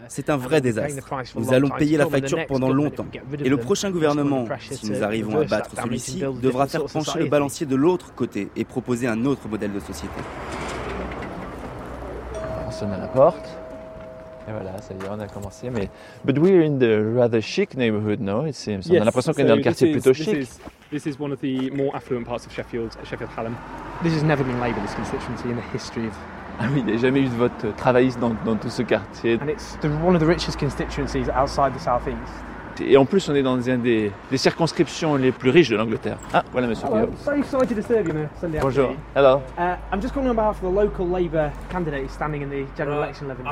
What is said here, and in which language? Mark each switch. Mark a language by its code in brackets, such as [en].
[fr] C'est un vrai désastre. Nous allons payer la facture pendant longtemps. Et le prochain gouvernement, si nous arrivons à battre celui-ci, devra faire pencher le balancier de l'autre côté et proposer un autre modèle de société. On sonne à la porte. Et voilà, ça y est, on a commencé. [en] Mais but we're in the rather chic neighborhood now, it seems. [fr] On a l'impression qu'on est dans le quartier plutôt chic. [en] This is one of the more affluent parts of Sheffield Hallam. This has never been Labour, this constituency, in the history of... [fr] Ah oui, il n'y a jamais eu de vote travailliste dans tout ce quartier. [en] And it's one of the richest constituencies outside the South East. [fr] Et en plus, on est dans une des circonscriptions les plus riches de l'Angleterre. Ah, voilà, monsieur. [en] Hello. So excited to serve you, Sunday. [fr] Bonjour. [en] Afternoon. Hello. I'm just calling on behalf of the local Labour candidate standing in the general election 11 days.